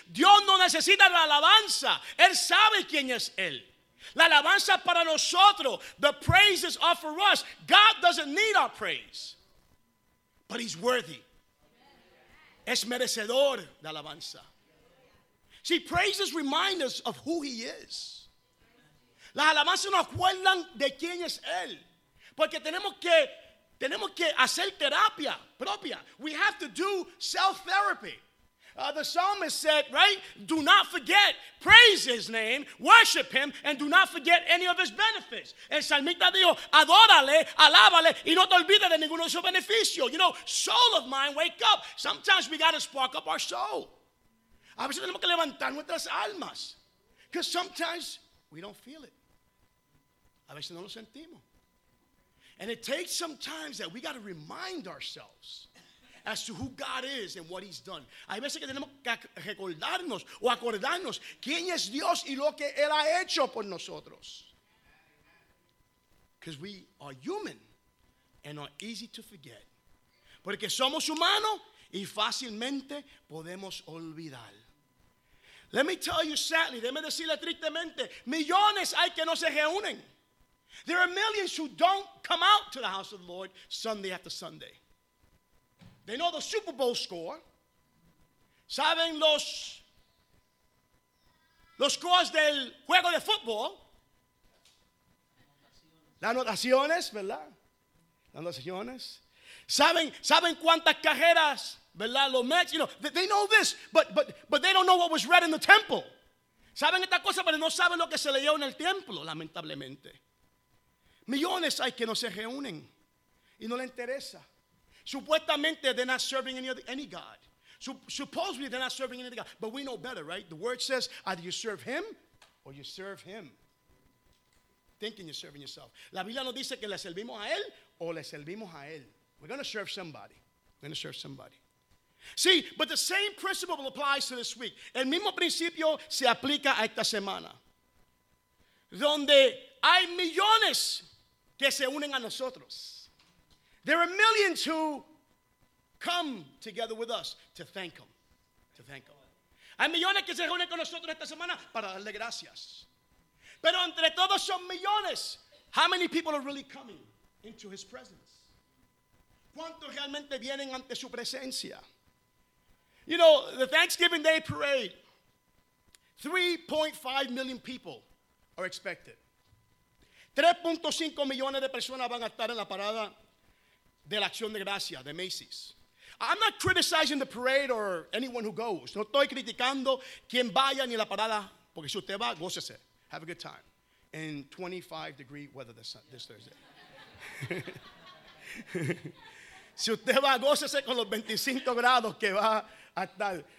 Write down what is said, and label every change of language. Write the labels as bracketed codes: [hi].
[es] Dios no necesita la alabanza. Él sabe quién es Él. La alabanza para nosotros. [en] The praise is offered us. God doesn't need our praise. But he's worthy. [es] Es merecedor de alabanza. [en] See, praises remind us of who he is. [es] Las alabanzas nos acuerdan de quién es Él. Porque tenemos que hacer terapia propia. [en] We have to do self-therapy. The psalmist said, right? Do not forget, praise his name, worship him, and do not forget any of his benefits. [es] El salmista dijo, adórale, alábale, y no te olvides de ninguno de sus beneficios. [en] You know, soul of mine, wake up. Sometimes we got to spark up our soul. [es] A veces tenemos que levantar nuestras almas. [en] Because sometimes we don't feel it. [es] A veces no lo sentimos. [en] And it takes some time that we got to remind ourselves as to who God is and what he's done. [es] Hay veces que tenemos que recordarnos o acordarnos quién es Dios y lo que él ha hecho por nosotros. [en] Because we are human and are easy to forget. [es] Porque somos humanos y fácilmente podemos olvidar. [en] Let me tell you sadly, [es] déjeme decirle tristemente, millones hay que no se reúnen. [en] There are millions who don't come out to the house of the Lord Sunday after Sunday. They know the Super Bowl score. [es] Saben los scores del juego de fútbol. Las anotaciones, ¿verdad? Las anotaciones. Saben cuántas carreras, ¿verdad? [en] Los Mets, you know, they know this, but they don't know what was read in the temple. [es] Saben esta cosa, pero no saben lo que se leyó en el templo, lamentablemente. Millones hay que no se reúnen y no le interesa. [en] Supuestamente they're not serving any God. Supposedly they're not serving any God. But we know better, right? The word says either you serve him or you serve him. Thinking you're serving yourself. [es] La Biblia nos dice que le servimos a él o le servimos a él. [en] We're going to serve somebody. We're going to serve somebody. See, but the same principle applies to this week. [es] El mismo principio se aplica a esta semana. Donde hay millones que se unen a nosotros. [en] There are millions who come together with us to thank him. To thank him. [es] Hay millones que se reúnen con nosotros esta semana para darle gracias. Pero entre todos son millones. [en] How many people are really coming into his presence? [es] ¿Cuántos realmente vienen ante su presencia? [en] You know, the Thanksgiving Day parade, 3.5 million people are expected. [es] 3.5 millones de personas van a estar en la parada de la Acción de Gracia, de Macy's. [en] I'm not criticizing the parade or anyone who goes. [es] No estoy criticando quien vaya ni la parada, porque si usted va, gócese. [en] Have a good time. In 25 degree weather this Thursday. [es] Si usted va, gócese con los 25 grados que va a estar.